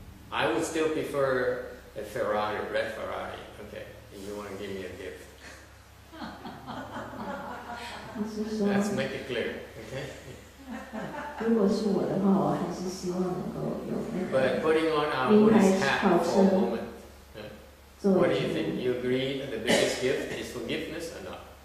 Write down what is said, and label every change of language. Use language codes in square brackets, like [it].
[en] I would still prefer a Ferrari, red Ferrari. Okay, if you want to give me a gift. Let's make it clear, okay? [zh] 如果是我的话，我还是希望能够有那个。 [en] But putting on our Buddhist hat for a moment. Yeah. What do you think? You agree that the biggest gift is forgiveness or not?